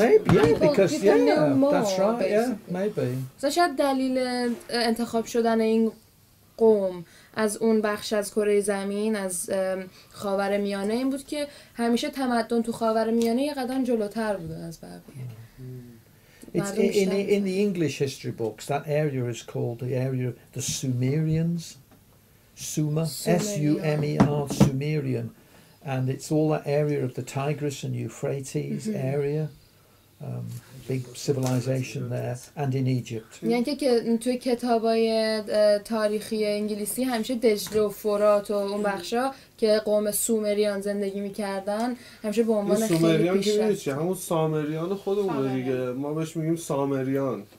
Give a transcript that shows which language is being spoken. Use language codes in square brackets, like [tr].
[en] maybe, yeah, because people yeah, know more, that's right, basically. Yeah, maybe. So [fa] شاید دلیل انتخاب شدن این قوم از اون بخش از کره زمین از خاورمیانه این بود که همیشه تمدن تو خاورمیانه یه قدم جلوتر بوده از بقیه. [en] In the English history books, that area is called the area of the Sumerians, Sumer, S-U-M-E-R, Sumerian. And it's all that area of the Tigris and Euphrates mm-hmm. area, big civilization there, and in Egypt. [fa] یعنی که توی کتابای تاریخی انگلیسی همیشه دجله و فرات و اون بخشا که قوم سومریان زندگی میکردن همیشه به عنوان خیلی پیشرفته. سومریان که میشه همون سامریان خودمون دیگه ما بهش میگیم سامریان.